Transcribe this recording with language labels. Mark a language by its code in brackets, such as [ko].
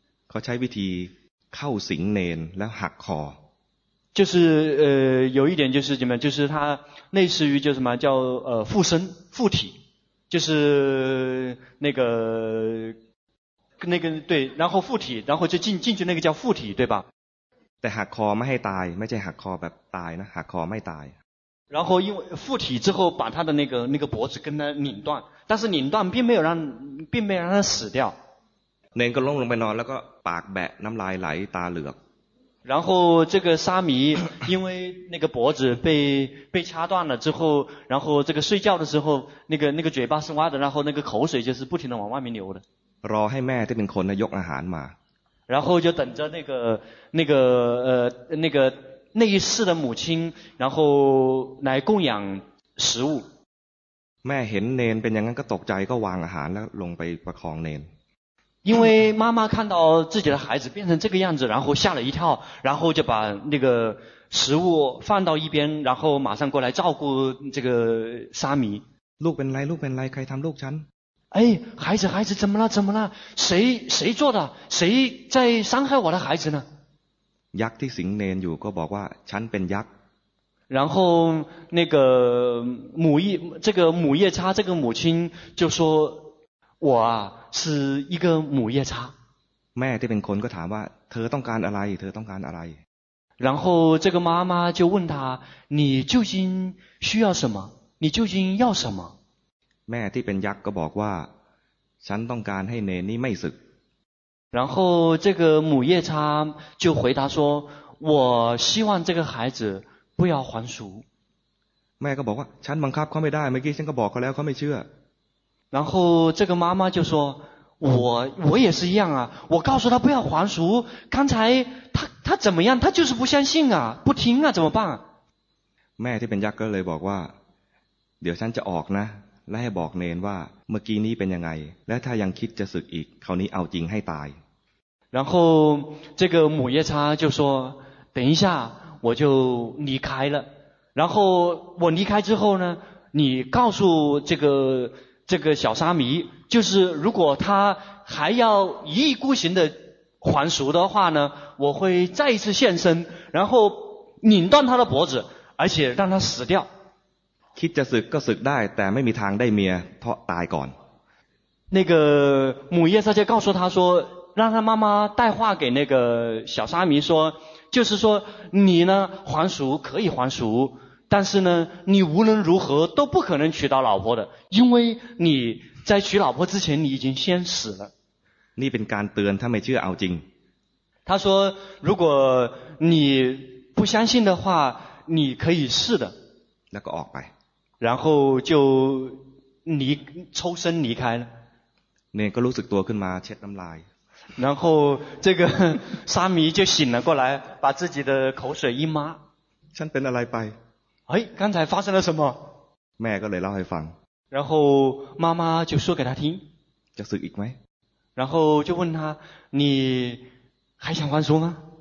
[th] เขาใช้วิธีเข้าสิงเนนแล้วหักคอ [zh] 就是有一点就是怎么就是他类似于就什么叫附身附体就是那个对然后附体然后就进去那个叫附体对吧 [th] แต่หักคอไม่ให้ตายไม่ใช่หักคอแบบตายนะหักคอไม่ตาย [zh] 然后因为附体之后把他的那个脖子跟他拧断但是拧断并没有让他死掉 [th] เนนก็ล้มลงไปนอนแล้วก็ปากแบะน้ำลายไหลตาเหลือก [zh] 然后这个沙弥因为那个脖子被掐断了之后然后这个睡觉的时候那个嘴巴是挖的然后那个口水就是不停的往外面流的 [th] รอให้แม่ที่เป็นคนยกอาหารมา [zh] 然后就等着那个那一世的母亲然后来供养食物 [th] แม่เห็นเนนเป็นอย่างนั้นก็ตกใจก็วางอาหารแล้วลงไปประคองเนน [zh] 因为妈妈看到自己的孩子变成这个样子然后吓了一跳然后就把那个食物放到一边然后马上过来照顾这个沙弥 [th] ลูกเป็นไรลูกเป็นไรใครทำลูกฉัน [zh] 哎孩子怎么了怎么了谁做的谁在伤害我的孩子呢 [th] ยักษ์ที่สิงเนนอยู่ก็บอกว่าฉันเป็นยักษ์ [zh] 然后那个母夜叉这个母亲就说我啊是一个母夜叉 [th] แม่ที่เป็นคนก็ถามว่าเธอต้องการอะไรเธอต้องการอะไร [zh] 然后这个妈妈就问他你究竟需要什么你究竟要什么 [th] แม่ที่เป็นยักษ์ก็บอกว่าฉันต้องการให้เนนี่ไม่ศึก [zh] 然后这个母夜叉就回答说我希望这个孩子不要还俗 [th] แม่ก็บอกว่าฉันบังคับเขาไม่ได้เมื่อกี้ฉันก็บอกเขาแล้วเขาไม่เชื่อ [zh] 然后这个妈妈就说我也是一样啊我告诉他不要还俗刚才他怎么样他就是不相信啊不听啊怎么办 [th] แม่ที่เป็นยักษ์ก็เลยบอกว่าเดี๋ยวฉันจะออกนะและให้บอกเนนว่าเมื่อกี้นี้เป็นยังไงและถ้ายังคิดจะสึกอีกคราวนี้เอาจริงให้ตาย [zh] 然后这个母夜叉就说等一下我就离开了然后我离开之后呢你告诉这个小沙弥就是如果他还要一意孤行的还俗的话呢我会再一次现身然后拧断他的脖子而且让他死掉 [th] คิดจะศึกก็ศึกได้แต่ไม่มีทางได้เมียเพราะตายก่อน [zh] 那个母夜叉就告诉他说让他妈妈带话给那个小沙弥说就是说你呢还俗可以还俗但是呢你无论如何都不可能娶到老婆的因为你在娶老婆之前你已经先死了 [th] นี่เป็นการเตือนถ้าไม่เชื่อเอาจริง [zh] 他说如果你不相信的话你可以试的 [th] แล้วก็ออกไป [zh] 然后就离抽身离开了 [th] เนนก็รู้สึกตัวขึ้นมาเช็ดน้ำลาย [zh] 然后这个沙弥就醒了过来把自己的口水一抹 [th] ฉันเป็นอะไรไป [zh] 哎刚才发生了什么 [th] แม่ก็เลยเล่าให้ฟัง [zh] 然后妈妈就说给他听 [th] จะสึกอีกไหม [zh] 然后就问他你还想还俗吗